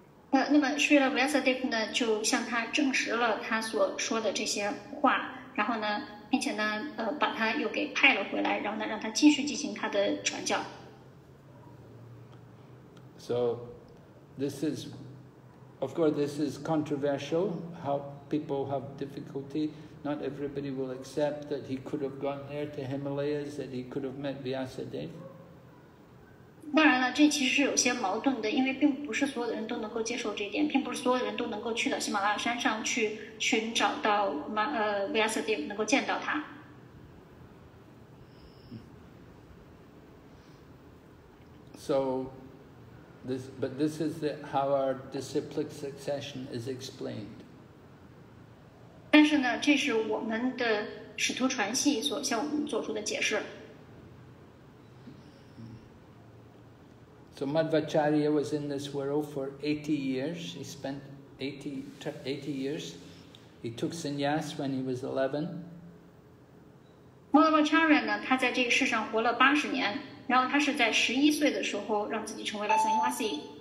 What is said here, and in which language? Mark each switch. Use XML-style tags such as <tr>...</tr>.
<zh>那么 Srila Vyasadeva 呢，就向他证实了他所说的这些话，然后呢，并且呢，把他又给派了回来，然后呢，让他继续进行他的传教。</zh> <en>So, this is, of course, this is controversial. How people have difficulty. Not everybody will accept that he could have gone there to Himalayas. That he could have met Vyasadeva.</en> <zh>当然了，这其实是有些矛盾的，因为并不是所有的人都能够接受这一点，并不是所有的人都能够去到喜马拉雅山上去寻找到Vyasadeva， 能够见到他。</zh> <en>So, this, but this is the, how our disciplic succession is explained.</en> <zh>但是呢，这是我们的使徒传系所向我们做出的解释。</zh> <en>So Madhvacharya was in this world for 80 years. He spent 80 years. He took sannyas when he was 11.</en> <zh>Madhvacharya 呢，他在这个世上活了80年，然后他是在11岁的时候让自己成为了 sannyasi.</zh>